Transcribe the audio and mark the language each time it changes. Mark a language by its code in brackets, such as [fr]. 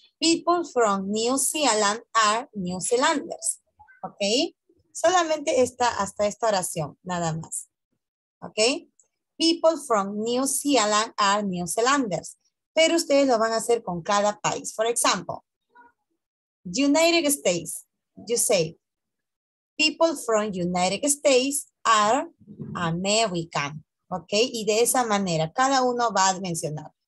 [en] people from New Zealand are New Zealanders. ¿Ok? [es] Solamente está hasta esta oración, nada más. ¿Ok? [en] People from New Zealand are New Zealanders. [es] Pero ustedes lo van a hacer con cada país. [en] For example, United States. You say, people from United States are American. ¿Ok? [es] Y de esa manera, cada uno va a mencionar.